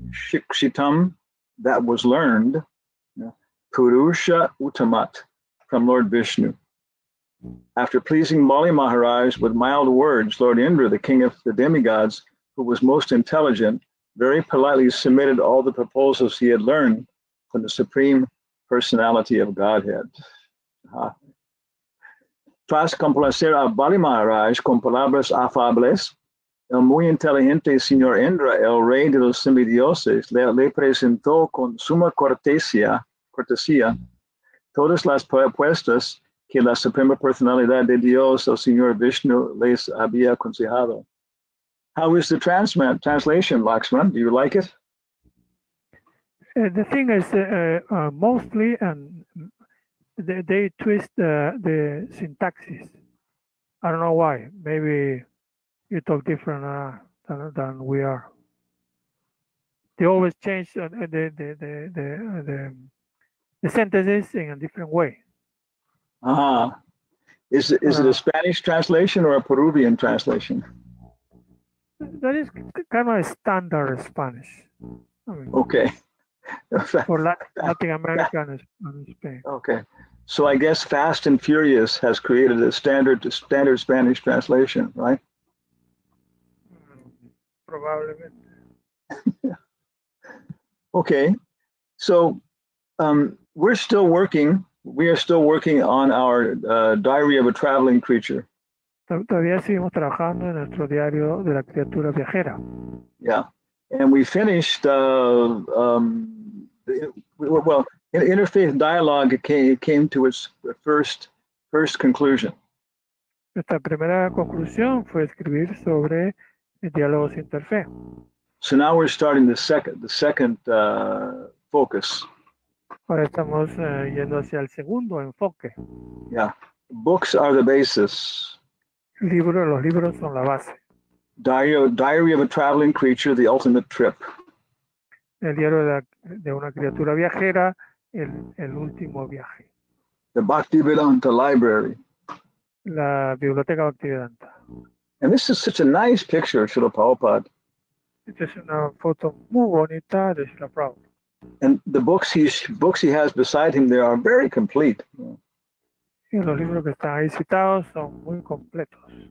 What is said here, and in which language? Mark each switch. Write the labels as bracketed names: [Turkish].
[English] Shikshitam, that was learned. Purusha Uttamat, from Lord Vishnu. After pleasing Bali Maharaj with mild words, Lord Indra, the king of the demigods, who was most intelligent, very politely submitted all the proposals he had learned from the Supreme Personality of Godhead. [Spanish] Tras complacer a Bali Maharaj con palabras afables, el muy inteligente señor Indra, el rey de los semidioses, le presentó con suma cortesía todas las propuestas que la Suprema Personalidad de Dios, el Señor Vishnu, les había aconsejado. [English] How is the translation, Laxman? Do you like it? The thing is, mostly, and they twist the syntaxes. I don't know why. Maybe you talk different than we are. They always change the sentences in a different way. Is it a Spanish translation or a Peruvian translation? That is kind of a standard Spanish. Okay. For Latin American Spanish. Okay. So I guess Fast and Furious has created a standard Spanish translation, right? Probably. Okay. So we're still working. We are still working on our Diary of a Traveling Creature. [Spanish] Todavía seguimos trabajando en nuestro diario de la criatura viajera. [English] Yeah. And we finished Interfaith Dialogue came to its first conclusion. [Spanish] Esta primera conclusión fue escribir sobre diálogos interfe. [English] So now we're starting the second focus. [Spanish] Ahora estamos yendo hacia el segundo enfoque. [English] Yeah. Books are the basis. [Spanish] Los libros son la base. [English] Diary of a Traveling Creature, the Ultimate Trip. [Spanish] El diario de una criatura viajera, el último viaje. [English] The Bhaktivedanta Library. [Spanish] La biblioteca Bhaktivedanta. [English] And this is such a nice picture, Srila Prabhupada. It is [Spanish] una foto muy bonita de Srila Prabhupada. [English] And the books he has beside him, they are very complete. [Spanish] Y los libros que están ahí citados son muy completos.